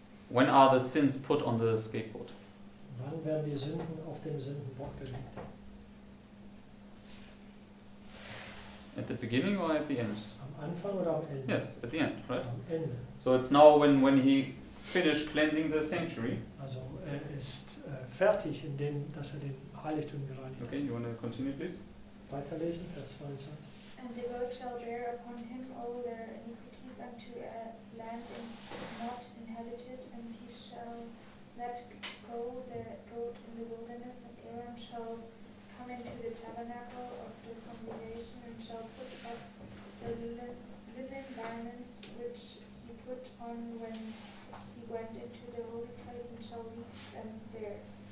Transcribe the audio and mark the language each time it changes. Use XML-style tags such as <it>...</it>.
<en>When are the sins put on the scapegoat?</en> <de>Wann werden die Sünden auf dem Sündenbock gelegt?</de> <en>At the beginning or at the end?</en> <de>Am Anfang oder am Ende?</de> <en>Yes, at the end, right?</en> <de>Am Ende.</de> <en>So it's now when he finished cleansing the sanctuary.</en> <de>Also er ist fertig, indem dass er den Heiligtum gereinigt</de> <en>hat. Okay, you want to continue, please?</en> <de>Weiterlesen, Vers 22.</de> <en>And the goat shall bear upon him all their iniquities unto a land in not inhabited, and he shall let go the goat in the wilderness, and Aaron shall come into the tabernacle of the congregation, and shall put up the linen garments which he put on when he went into the holy place, and shall leave them there.</en>